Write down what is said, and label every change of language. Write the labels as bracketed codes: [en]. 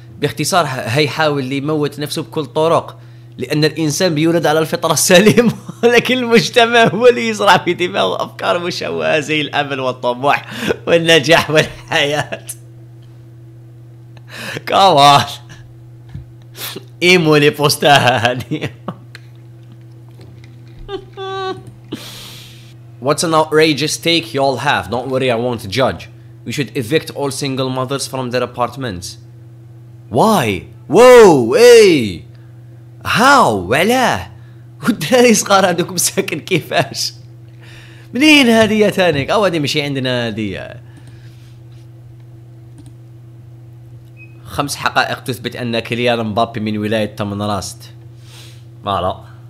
[ar] باختصار هيحاول اللي يموت نفسه بكل طرق، لأن الإنسان بيولد على الفطرة السليمة، لكن المجتمع هو اللي يزرع في دماغه أفكار مشوهة زي الأمل والطموح والنجاح والحياة. كمان إيمو لي بوستاها هاني. [en] What's an outrageous take y'all have? Don't worry, I won't judge. We should evict all single mothers from their apartments. Why? Whoa, hey! How? [ar] علاه؟ والدراري صغار هذوك مساكن كيفاش؟ منين هادية تانيك؟ أو هادي ماشي عندنا هادية. خمس حقائق تثبت أن كيليان مبابي من ولاية تمنراست. فوالا.